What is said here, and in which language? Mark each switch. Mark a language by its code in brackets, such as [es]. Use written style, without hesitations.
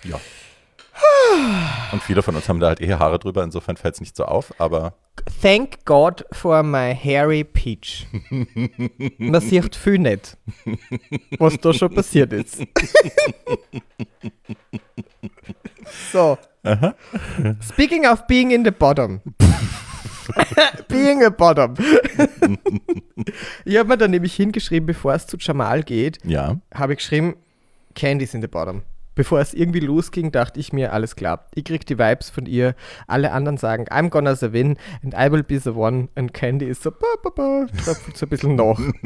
[de] Ja. Und viele von uns haben da halt eh Haare drüber, insofern fällt es nicht so auf, aber... [en] Thank God for my hairy peach. [de] Man sieht viel nicht, was da schon passiert ist. So. Aha. [en] Speaking of being in the bottom. Being a bottom. [de] Ich habe mir dann nämlich hingeschrieben, bevor es zu Jamal geht, ja, habe ich geschrieben, [en] Candy's in the bottom. [de] Bevor es irgendwie losging, dachte ich mir, alles klar, ich krieg die Vibes von ihr, alle anderen sagen, [en] I'm gonna the win and I will be the one [de] and Candy ist so, bah, bah, bah, tröpfelt so ein bisschen noch.